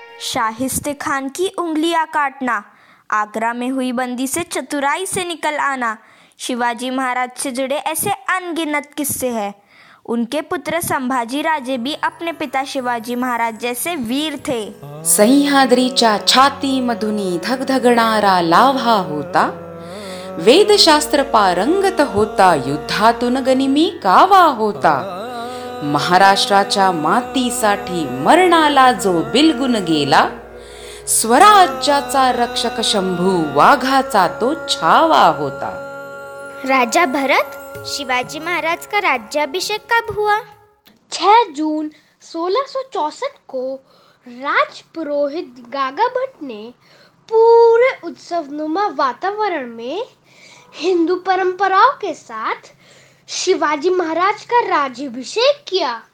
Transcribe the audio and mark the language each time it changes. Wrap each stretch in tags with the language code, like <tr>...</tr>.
<hi>शाहिस्ते खान की उंगलियां काटना, आगरा में हुई बंदी से चतुराई से निकल आना, शिवाजी महाराज से जुड़े ऐसे अनगिनत किस्से हैं। उनके पुत्र संभाजी राजे भी अपने पिता शिवाजी महाराज जैसे वीर थे।</hi> <mr>सहिहाद्रीचा छाती मधुनी धग धगणारा लाभा होता, वेदशास्त्र पारंगत होता, युद्धातून गनिमी कावा होता। महाराष्ट्राच्या मातीसाठी मरणाला जो बिलगुन गेला, स्वराज्याचा रक्षक शंभू वाघाचा तो छावा होता।</mr> <hi>राजा भरत, शिवाजी महाराज का राज्याभिषेक कब हुआ? 6 जून 1664 को राज पुरोहित गागा भट्ट ने पूरे उत्सवनुमा वातावरण में हिंदू परंपराओं के साथ शिवाजी महाराज का राज्याभिषेक किया।</hi>